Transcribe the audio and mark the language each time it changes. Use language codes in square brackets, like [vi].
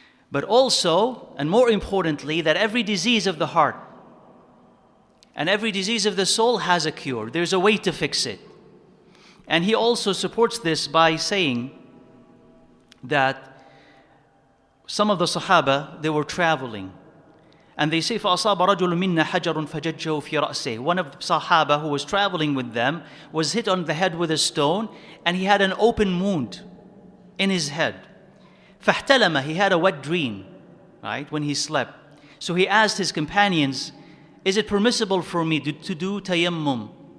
[en] But also, and more importantly, that every disease of the heart and every disease of the soul has a cure. There's a way to fix it. And he also supports this by saying that some of the Sahaba, they were traveling. And they say, [ar] فَأَصَابَ رَجُلٌ مِنَّا حَجَرٌ فَجَجَّهُ فِي رَأْسِهِ. [en] One of the Sahaba who was traveling with them was hit on the head with a stone, and he had an open wound in his head. [ar] فَاحْتَلَمَ. [en] He had a wet dream, right, when he slept. So he asked his companions, is it permissible for me to do tayammum?